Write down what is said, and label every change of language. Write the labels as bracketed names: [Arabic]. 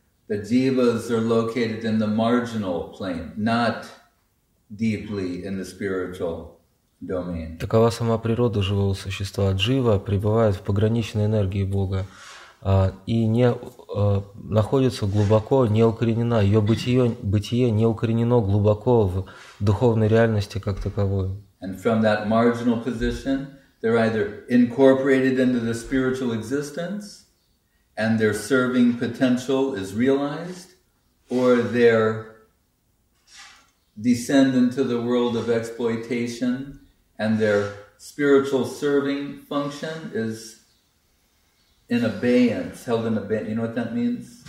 [English] The divas are located in the marginal plane, not deeply in the spiritual domain. [Russian] Такова сама природа живого существа. Джива пребывает в пограничной энергии Бога и не находится глубоко, не укоренена. Ее бытие не укоренено глубоко в духовной реальности как таковой. [English] And from that marginal position, they're either incorporated into the spiritual existence, and their serving potential is realized, or they descend into the world of exploitation, and their spiritual serving function is in abeyance, held in abeyance. You know what that means?